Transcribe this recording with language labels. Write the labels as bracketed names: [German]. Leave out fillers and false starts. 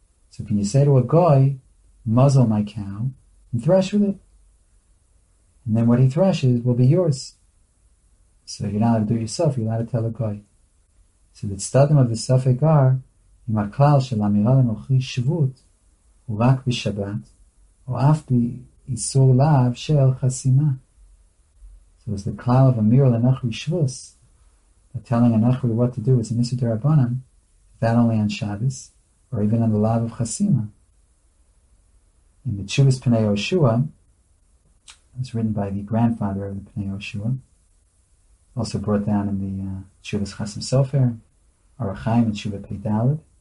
[English] So can you say to a goy, muzzle my cow and thresh with it? And then what he threshes will be yours. So you're not allowed to do it yourself, you're allowed to tell a goy. So the tzadim of the safek are, [Hebrew] אם הכלל של אמירה לנוכרי שבות הוא רק בשבת, או אף באיסור לאו של חסימה. [English] So it's the כלל of [Hebrew] אמירה לנוכרי שבות, [English] the telling הנוכרי what to do, is an issue to Rabbanan, that only on Shabbos, or even on the lav of חסימה. In the Tshuvas Pnei Yehoshua, it was written by the grandfather of the Pnei Yehoshua, also brought down in the Tshuvas Chasim Sofer, Arachayim and Tshuva Pei Dalet,